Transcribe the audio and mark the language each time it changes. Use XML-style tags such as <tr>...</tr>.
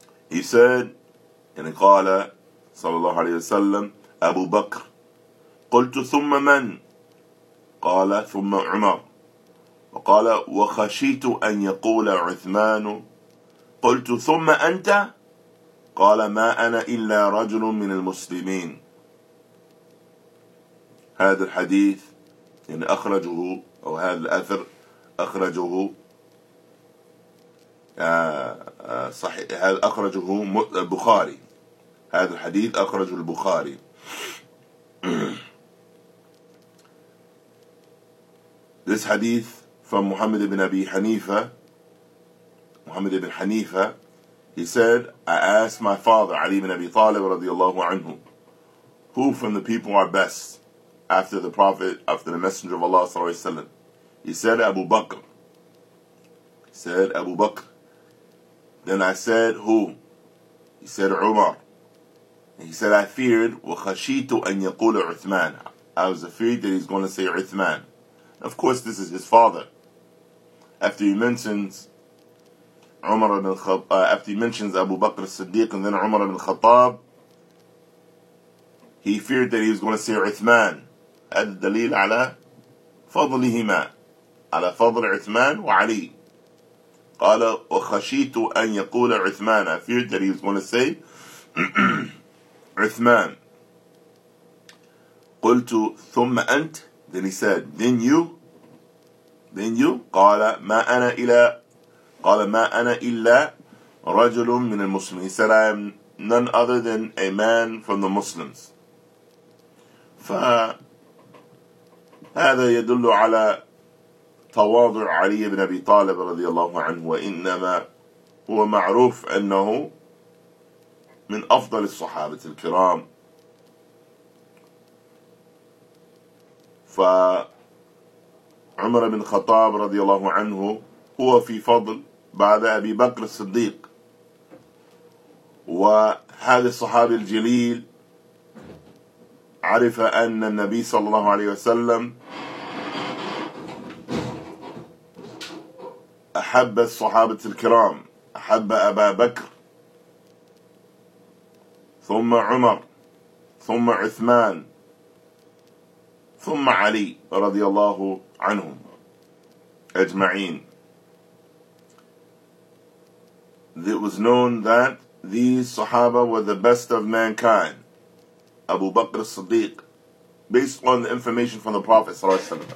<en>He said, and he</en> <ar>قال صلى الله عليه وسلم أبو بكر. قلت ثم من؟ قال ثم عمر. وقال وخشيت أن يقول عثمان. قلت ثم أنت؟ قال ما أنا إلا رجل من المسلمين. هذا الحديث يعني أخرجه أو هذا الأثر أخرجه صحيح هذا أخرجه البخاري هذا الحديث أخرجه البخاري</ar> <en>this hadith from Muhammad ibn Abi Hanifa Muhammad ibn Hanifa he said I asked my father Ali ibn Abi Talib radiyallahu anhu who from the people are best after the prophet after the messenger of Allah sallallahu alayhi wa sallam he said Abu Bakr he said Abu Bakr then I said who he said Umar and he said I feared</en> <ar>وَخَشِيتُ أَن يَقُولَ عُثْمَانَ</ar> <en>I was afraid that he's going to say Uthman Of course, this is his father. After he mentions Umar ibn Khattab, after he mentions Abu Bakr as-Siddiq and then Umar ibn Khattab, he feared that he was going to say Uthman.</en> <ar>هذا الدليل على فضلهما على فضل عثمان وعلي. قال وخشيت أن يقول عثمان.</ar> <en>I feared that he was going to say عثمان.</en> <ar>قلت ثم أنت.</ar> <en>Then he said, then you,</en> <ar>قَالَ مَا أَنَا إِلَّا رَجُلٌ مِّنَ الْمُسْلِمِ</ar> <en>He said, I am none other than a man from the Muslims.</en> <ar>فَهَذَا يَدُلُّ عَلَى تَوَاضُعُ عَلِيَّ بِنْ أَبِي طَالِبَ رَضِيَ اللَّهُ عَنْهُ وَإِنَّمَا هُوَ مَعْرُوفُ أَنَّهُ مِنْ أَفْضَلِ الصُّحَابَةِ الْكِرَامِ فعمر بن الخطاب رضي الله عنه هو في فضل بعد أبي بكر الصديق وهذا الصحابي الجليل عرف أن النبي صلى الله عليه وسلم أحب الصحابة الكرام أحب أبا بكر ثم عمر ثم عثمان ثم علي رضي الله عنهم أجمعين.</ar> <en>It was known that these Sahaba were the best of mankind. Abu Bakr as-Siddiq. Based on the information from the Prophet صلى الله عليه وسلم.</en>